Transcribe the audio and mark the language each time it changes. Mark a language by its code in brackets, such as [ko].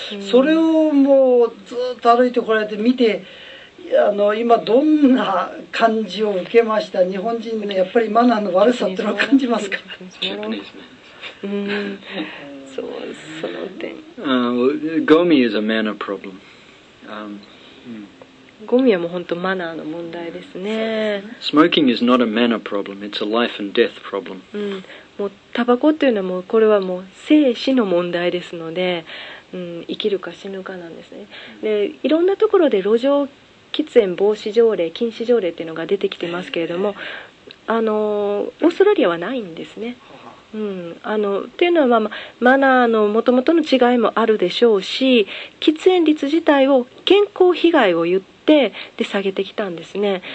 [ja] それをもうずっと歩いてこられて見て、今どんな感じを受けました。日本人のやっぱりマナーの悪さってのは感じますか。ゴミはマナープロブレム。ゴミはもう本当マナーの問題ですね。 [en] Smoking is not a manner problem, it's a life and death problem. [ja] もうタバコっていうのはもうこれはもう生死の問題ですので、生きるか死ぬかなんですね。で、いろんなところで路上喫煙防止条例、禁止条例っていうのが出てきてますけれども、オーストラリアはないんですね。っていうのは、マナーのもともとの違いもあるでしょうし、喫煙率自体を健康被害を言ってで下げてきたんですね。